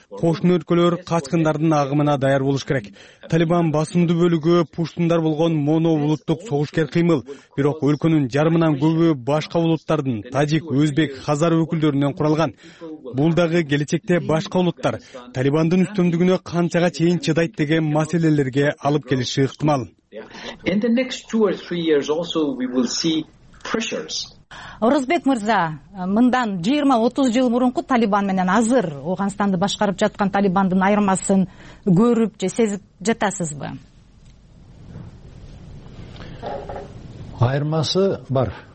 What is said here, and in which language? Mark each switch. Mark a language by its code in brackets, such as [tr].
[ky] Кошуна өлкөлөр качкындардын агымына даяр болуш керек. Талибан басымдуу бөлүгү пуштундар болгон моно улуттук согушкер кыймыл, бирок өлкөнүн жарымынан көбү башка улуттардын тажик, өзбек, хазар өкүлдөрүнөн куралган. Бул дагы келечекте башка улуттар Талибандын үстөмдүгүнө канчага чейин чыдайт деген маселелерге алып келиши ыктымал. [en] In the next 2 or 3 years also we will see pressures. [ky] Орозбек мырза, мындан 20-30 жыл мурунку Талибан менен азыр Ауганстанды башкарып жаткан Талибандын айырмасын көрүп же сезип жатасызбы? Айырмасы бар.